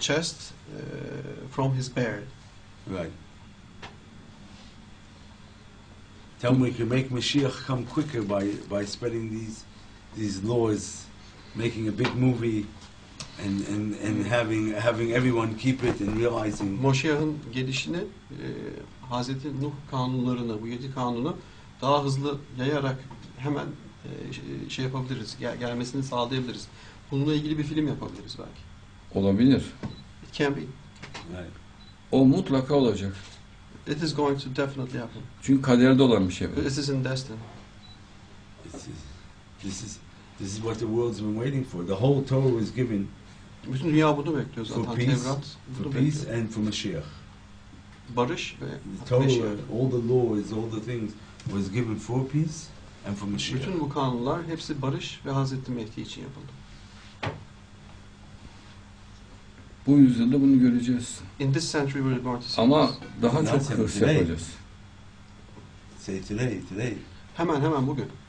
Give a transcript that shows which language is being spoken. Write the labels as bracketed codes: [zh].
[en] Chest from his beard. Right. Tell me, we can make Mashiach come quicker by spreading these laws, making a big movie, and having everyone keep it and realizing. [tr] Moşiah'ın gelişini Hazreti Nuh kanunlarını, bu yedi kanunu daha hızlı yayarak hemen şey yapabiliriz, gelmesini sağlayabiliriz. Bununla ilgili bir film yapabiliriz belki. Olabilir. [en] It can be. Right. [tr] O mutlaka olacak. [en] It is going to definitely happen. [tr] Çünkü kaderde olan bir şey. [en] This is in destiny. This is what the world's been waiting for. The whole Torah was given. [tr] Bütün dünya bunu bekliyor zaten. [en] For peace, [tr] Tevrat, [en] for peace and for Mashiach. [tr] Barış ve [en] Mashiach. Torah, all the laws, all the things was given for peace and for Mashiach. [tr] Bütün bu kanunlar hepsi barış ve Hazreti Mehdi için yapıldı. Bu yüzyılda bunu göreceğiz. In this century we're going to see. Ama daha çok kırış yapacağız. [en] Say today. [tr] Hemen bugün.